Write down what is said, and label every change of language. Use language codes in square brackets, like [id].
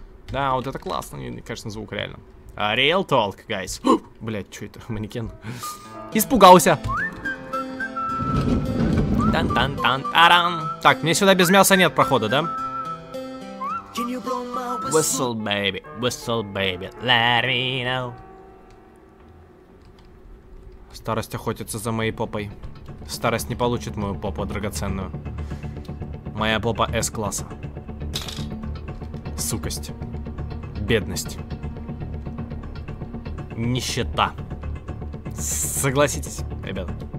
[ru] Да, вот это классно, конечно, звук реально. [en] Real talk, guys. [ru] Блять, что это, манекен? Испугался. Тан-тан-тан-таран. Так, мне сюда без мяса нет прохода, да? [en] Whistle, baby, let me know. [ru] Старость охотится за моей попой. Старость не получит мою попу драгоценную. Моя попа S-класса. Сукость. Бедность. Нищета. Согласитесь, ребят.